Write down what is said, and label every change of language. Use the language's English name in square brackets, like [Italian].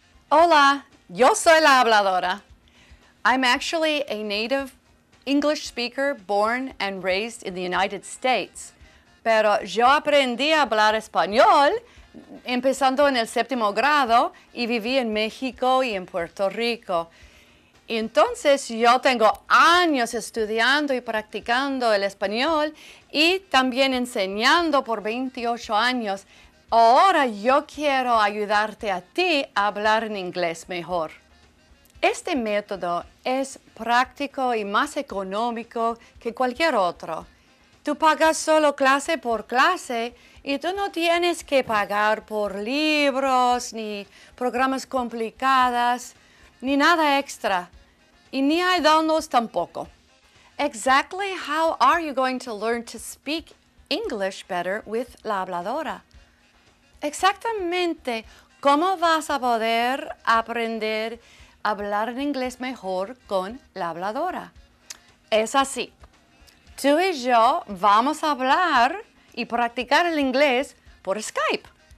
[Spanish] Hola, yo soy la habladora. [English] I'm actually a native English speaker born and raised in the United States. [Spanish] Pero yo aprendí a hablar español empezando en el séptimo grado y viví en México y en Puerto Rico. Entonces yo tengo años estudiando y practicando el español y también enseñando por 28 años. Ahora yo quiero ayudarte a ti a hablar en inglés mejor. Este método es práctico y más económico que cualquier otro. Tú pagas solo clase por clase y tú no tienes que pagar por libros, ni programas complicados, ni nada extra. Y ni hay downloads tampoco. [English] Exactly how are you going to learn to speak English better with la habladora? [Spanish] Exactamente, ¿cómo vas a poder aprender a hablar en inglés mejor con la habladora? Es así. Tú y yo vamos a hablar y practicar el inglés por Skype.